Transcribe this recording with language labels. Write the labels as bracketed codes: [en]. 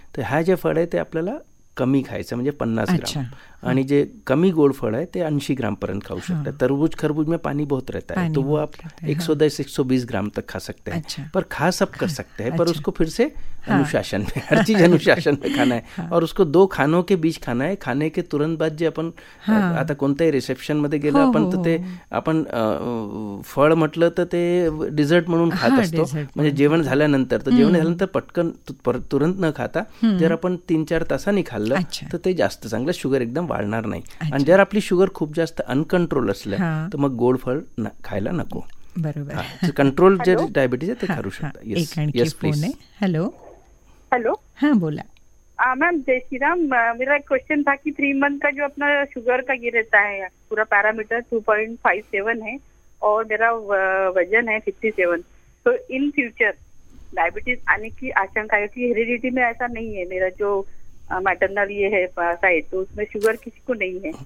[mr] तर हा जे फळ आहे ते आपल्याला कमी खायचं म्हणजे 50 ग्राम, आणि जे कमी गोड फळ आहे ते 80 ग्राम पर्यंत खाऊ शकतात. [hi] तरबूज खरबूज में पाणी बहुत रहता है तो वो आप 110-120 ग्राम तक खा सकते हैं. अच्छा, पर खा सब कर सकते हैं. अच्छा, पर उसको फिर से अनुशासन में, हर चीज अनुशासन में खाना है. और उसको दो खानों के बीच खाना है. खाने के तुरंत बाद [mr] जे अपन आता कोणत्याही रिसेप्शन मध्ये गेलो आपण तर ते आपण फळ म्हटलं तर ते डिझर्ट म्हणून खात असतो, म्हणजे जेवण झाल्यानंतर. तर जेवण झाल्यानंतर पटकन तुरंत न खाता जर आपण 3-4 तासांनी खाल्लं तर ते जास्त चांगलं, शुगर एकदम वाढणार नाही. आणि जर आपली शुगर खूप जास्त अनकंट्रोल असलं तर मग गोड फळ खायला नको. बरोबर, कंट्रोल जर डायबिटीज आहे ते करू शकता. Hello hello. हां बोला. [hi] मॅम जय श्रीराम, मेरा एक क्वेश्चन था की 3 महिने का जो अपना शुगर का ये रहता है, पूरा पैरामीटर 2.57 है और मेरा वजन है 57, तो इन फ्यूचर डायबिटीज आने की आशंका है कि हेरिडिटी में ऐसा नहीं है, मेरा जो मैटरनल ये है साइड तो उसमें शुगर किसी को नहीं है.